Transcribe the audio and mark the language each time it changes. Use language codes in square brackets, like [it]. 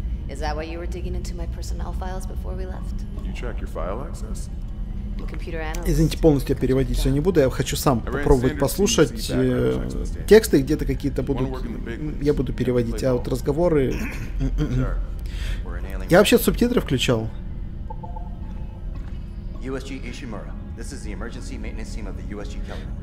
[en] Is that why you were digging into my personnel files before we left? You track your file access? The computer analyst. [ru] Извините, полностью я переводить все не буду, я хочу сам попробовать послушать тексты, где-то какие-то будут, я буду переводить, а вот разговоры... Я вообще субтитры включал. [en] USG Ishimura. This is the emergency maintenance team of the USG Kelvin.